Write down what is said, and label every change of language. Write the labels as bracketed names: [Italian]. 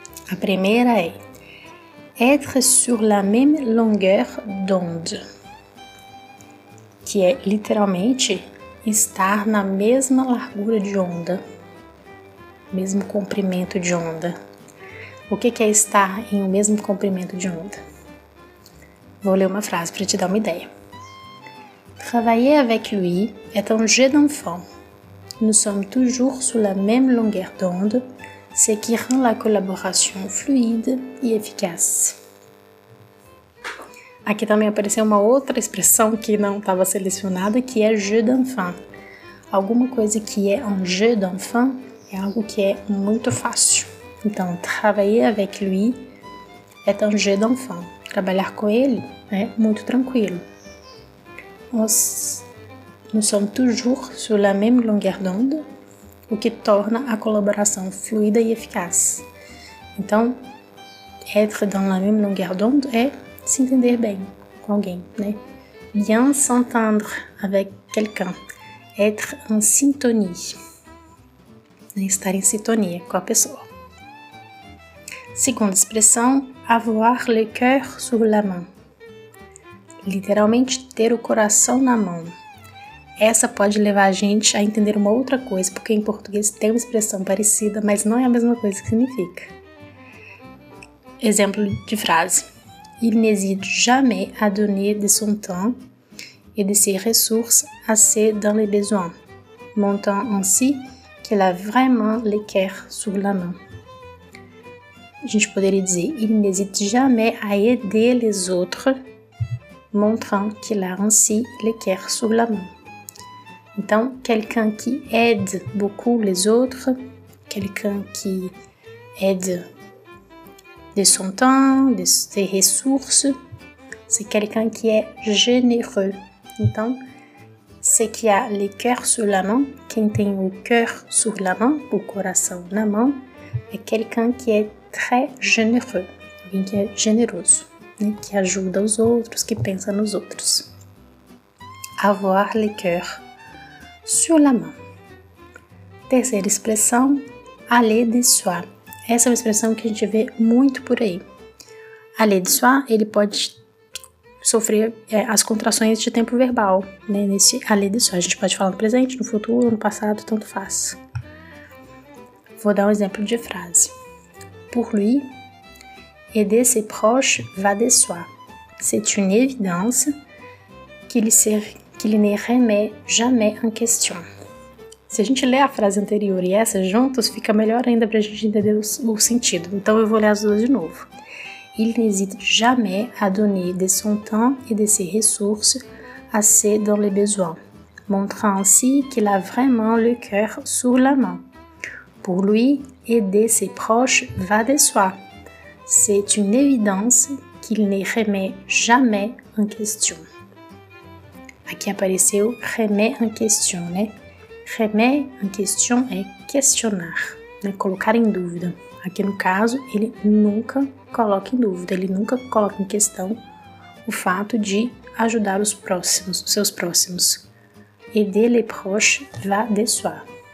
[Portuguese] A primeira é [French] être sur la même longueur d'onde, [Portuguese] que é literalmente estar na mesma largura de onda, mesmo comprimento de onda. O que é estar em o mesmo comprimento de onda? Vou ler uma frase para te dar uma ideia. [French] Travailler avec lui est un jeu d'enfant. Nous sommes toujours sur la même longueur d'onde, ce qui rend la collaboration fluide et efficace. [Portuguese] Aqui também apareceu uma outra expressão que não estava selecionada, que é jeu d'enfant. Alguma coisa que é un jeu d'enfant é algo que é muito fácil. [French] Então, travailler avec lui est un jeu d'enfant. [Portuguese] Trabalhar com ele é muito tranquilo. Nós [French] sommes toujours sur la même longueur d'onde, [Portuguese] o que torna a colaboração fluida e eficaz. Então, [French] être dans la même longueur d'onde [Portuguese] é se entender bem com alguém, né? [French] Bien s'entendre avec quelqu'un. Être en syntonie. Né? [Portuguese] Estar em sintonia com a pessoa. Segunda expressão, [French] avoir le cœur sur la main. [Portuguese] Literalmente, ter o coração na mão. Essa pode levar a gente a entender uma outra coisa, porque em português tem uma expressão parecida, mas não é a mesma coisa que significa. Exemplo de frase. [French] Il n'hésite jamais à donner de son temps et de ses ressources à ceux dans les besoins, montant ainsi qu'il a vraiment le cœur sur la main. [Portuguese] A gente poderia dizer, [French] il n'hésite jamais à aider les autres, montrant qu'il a ainsi le cœur sur la main. Então, quelqu'un qui aide beaucoup les autres, quelqu'un qui aide de son temps, de ses ressources, c'est quelqu'un qui est généreux. Então, c'est qui a le cœur sur la main, [Portuguese] quem tem o [French] cœur sur la main, [Portuguese] o coração na mão, [French] é quelqu'un qui est très généreux, [Portuguese] alguém que é generoso, né? Que ajuda os outros, que pensa nos outros. [French] Avoir le cœur sur la main. [Portuguese] Terceira expressão, aller de soi. Essa é uma expressão que a gente vê muito por aí. Aller de soi, ele pode sofrer as contrações de tempo verbal, né, nesse além disso. A gente pode falar no presente, no futuro, no passado, tanto faz. Vou dar um exemplo de frase. [French] Pour lui, aider ses proches va de soi. C'est une évidence qu'il ne remet jamais en question. [Portuguese] Se a gente ler a frase anterior e essa juntos, fica melhor ainda para a gente entender o sentido. Então eu vou ler as duas de novo. [French] Il n'hésite jamais à donner de son temps et de ses ressources à ceux dont les besoins, montrant ainsi qu'il a vraiment le cœur sur la main. Pour lui, aider ses proches va de soi. C'est une évidence qu'il ne remet jamais en question. [Portuguese] Aqui apareceu remet en question, né? Remet en question é questionar, né? Colocar em dúvida. Aqui no caso, ele nunca coloca em dúvida, ele nunca coloca em questão o fato de ajudar os próximos, os seus próximos. [French] Aider les proches va de soi.